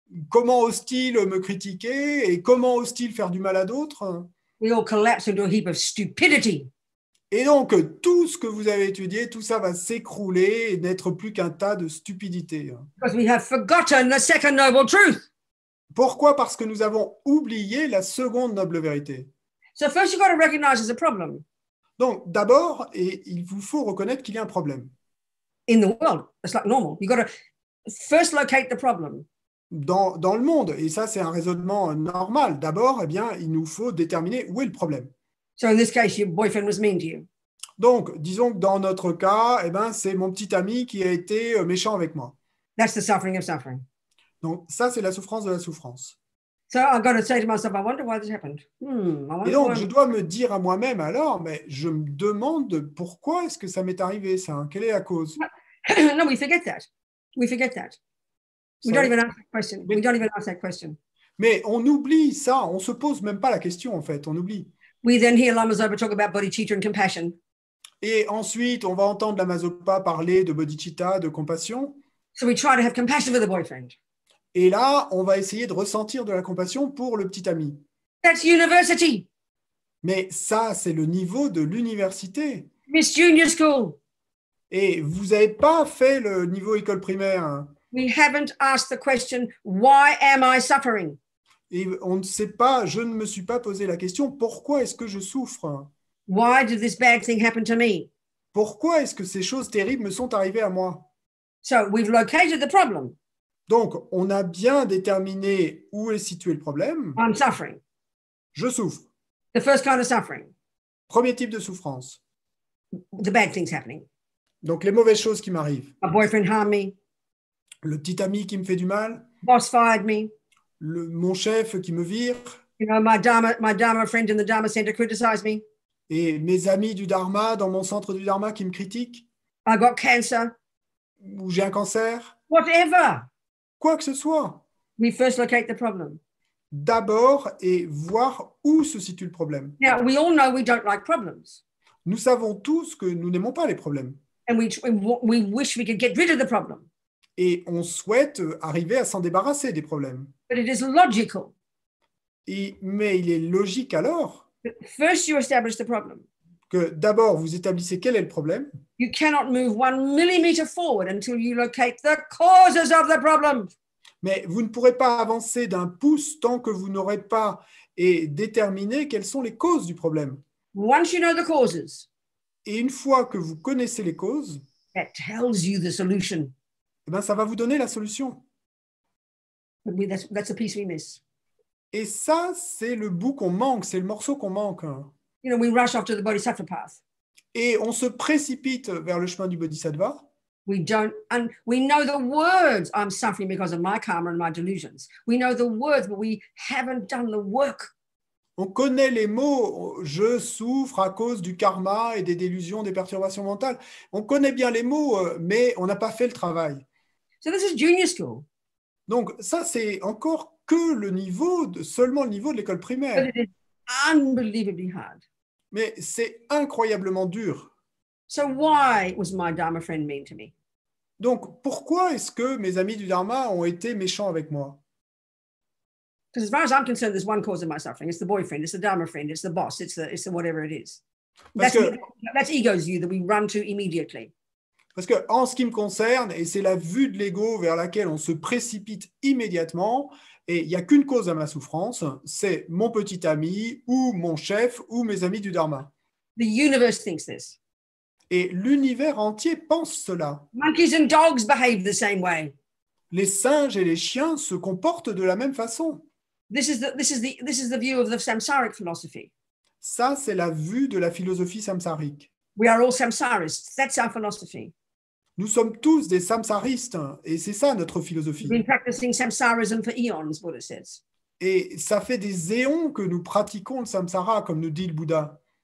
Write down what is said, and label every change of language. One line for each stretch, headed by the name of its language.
French: Comment ose-t-il me critiquer et comment ose-t-il faire du mal à d'autres?
English: We all collapse into a heap of stupidity.
French: Et donc, tout ce que vous avez étudié, tout ça va s'écrouler et n'être plus qu'un tas de stupidité.
English: Because we have forgotten the second noble truth.
French: Pourquoi? Parce que nous avons oublié la seconde noble vérité.
English: So first you've got to recognize there's a problem.
French: Donc d'abord, et il vous faut reconnaître qu'il y a un problème.
English: In the world, it's like normal. You've got to first locate the problem.
French: Dans le monde, et ça c'est un raisonnement normal. D'abord, eh bien, il nous faut déterminer où est le problème.
English: So in this case, your boyfriend was mean to you.
French: Donc, disons que dans notre cas, eh bien, c'est mon petit ami qui a été méchant avec moi.
English: That's the suffering of suffering.
French: Donc ça, c'est la souffrance de la souffrance.
English: So I've got to say to myself, I wonder why this happened.
French: Et donc, je dois me dire à moi-même alors, mais je me demande pourquoi est-ce que ça m'est arrivé, ça? Quelle est la cause?
English: No, we forget that. We forget that. We don't even ask that question. We don't even ask that question.
French: Mais on oublie ça. On se pose même pas la question, en fait. On oublie.
English: We then hear Lama Zopa talk about bodhicitta and compassion.
French: Et ensuite, on va entendre Lama Zopa parler de bodhicitta, de compassion.
English: So we try to have compassion for the boyfriend.
French: Et là, on va essayer de ressentir de la compassion pour le petit ami.
English: That's university.
French: Mais ça, c'est le niveau de l'université.
English: Miss Junior School.
French: Et vous n'avez pas fait le niveau école primaire.
English: We haven't asked the question, why am I suffering?
French: Et on ne sait pas, je ne me suis pas posé la question, pourquoi est-ce que je souffre?
English: Why did this bad thing happen to me?
French: Pourquoi est-ce que ces choses terribles me sont arrivées à moi?
English: So we've located the problem.
French: Donc, on a bien déterminé où est situé le problème.
English: I'm suffering.
French: Je souffre.
English: The first kind of suffering.
French: Premier type de souffrance.
English: The bad thing's happening.
French: Donc, les mauvaises choses qui m'arrivent.
English: My boyfriend harmed me.
French: Le petit ami qui me fait du mal.
English: Boss fired me.
French: Mon chef qui me vire.
English: You know, my Dharma friend in the Dharma Center criticized me.
French: Et mes amis du Dharma dans mon centre du Dharma qui me critiquent.
English: I got cancer.
French: Ou j'ai un cancer.
English: Whatever.
French: Quoi que ce soit.
English: We first locate the problem.
French: D'abord, et voir où se situe le problème.
English: Now, we all know we don't like problems.
French: Nous savons tous que nous n'aimons pas les problèmes.
English: And we wish we could get rid of the problem.
French: Et on souhaite arriver à s'en débarrasser des problèmes.
English: But it is logical.
French: Mais il est logique alors
English: But first, you establish the problem.
French: que d'abord vous établissez quel est le problème.
English: You cannot move one millimeter forward until you locate the causes of the problem.
French: Mais vous ne pourrez pas avancer d'un pouce tant que vous n'aurez pas et déterminé quelles sont les causes du problème.
English: Once you know the causes,
French: Et une fois que vous connaissez les causes,
English: that tells you the solution.
French: eh bien, ça va vous donner la solution.
English: That's a piece we miss.
French: Et ça, c'est le bout qu'on manque, c'est le morceau qu'on manque.
English: You know, we rush off to the bodhisattva path.
French: Et on se précipite vers le chemin du bodhisattva.
English: We don't, and we know the words. I'm suffering because of my karma and my delusions. We know the words, but we haven't done the work.
French: On connaît les mots, je souffre à cause du karma et des délusions, des perturbations mentales. On connaît bien les mots, mais on n'a pas fait le travail.
English: So this is junior school.
French: Donc ça, c'est encore que le niveau de, seulement le niveau de l'école
English: But
French: primaire.
English: it is unbelievably hard.
French: Mais c'est incroyablement dur.
English: So why was my Dharma friend mean to me?
French: Donc pourquoi est-ce que mes amis du Dharma ont été méchants avec moi?
English: Because as far as I'm concerned, there's one cause of my suffering. It's the boyfriend, it's the Dharma friend, it's the boss, it's the whatever it is.
French: Parce
English: That's
French: que
English: ego's view that we run to immediately.
French: en ce qui me concerne, et c'est la vue de l'ego vers laquelle on se précipite immédiatement, et il n'y a qu'une cause à ma souffrance, c'est mon petit ami ou mon chef ou mes amis du Dharma.
English: The universe thinks this.
French: Et l'univers entier pense cela.
English: Monkeys and dogs behave the same way.
French: Les singes et les chiens se comportent de la même façon.
English: This is the view of the samsaric philosophy.
French: Ça, c'est la vue de la philosophie samsarique.
English: We are all samsarists. That's our philosophy.
French: Nous sommes tous des samsaristes, et c'est ça notre
English: We've
French: philosophie.
English: been practicing samsarism for eons, Buddha says.
French: Et ça fait des éons que nous pratiquons le samsara, comme nous dit le Bouddha.